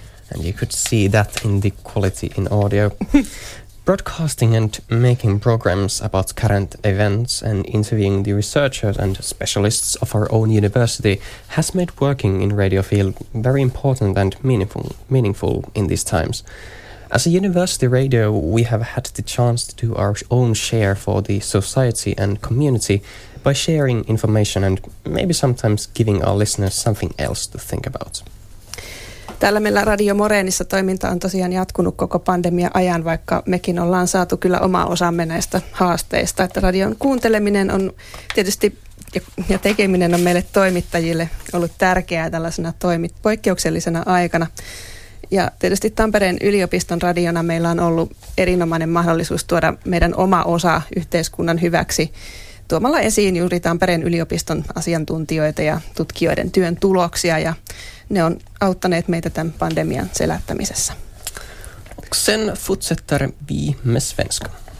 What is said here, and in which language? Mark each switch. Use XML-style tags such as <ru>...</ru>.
<en>And you could see that in the quality in audio. Broadcasting and making programs about current events and interviewing the researchers and specialists of our own university has made working in radio field very important and meaningful in these times. As a university radio, we have had the chance to do our own share for the society and community by sharing information and maybe sometimes giving our listeners something else to think about.</en> <fi>Täällä meillä Radio Moreenissa toiminta on tosiaan jatkunut koko pandemian ajan, vaikka mekin ollaan saatu kyllä oma osamme näistä haasteista. Että radion kuunteleminen on tietysti ja tekeminen on meille toimittajille ollut tärkeää tällaisena poikkeuksellisena aikana. Ja tietysti Tampereen yliopiston radiona meillä on ollut erinomainen mahdollisuus tuoda meidän oma osa yhteiskunnan hyväksi tuomalla esiin juuri Tampereen yliopiston asiantuntijoita ja tutkijoiden työn tuloksia ja ne on auttaneet meitä tämän pandemian selättämisessä.</fi> <sv>Sen fortsätter vi med svenska.</sv>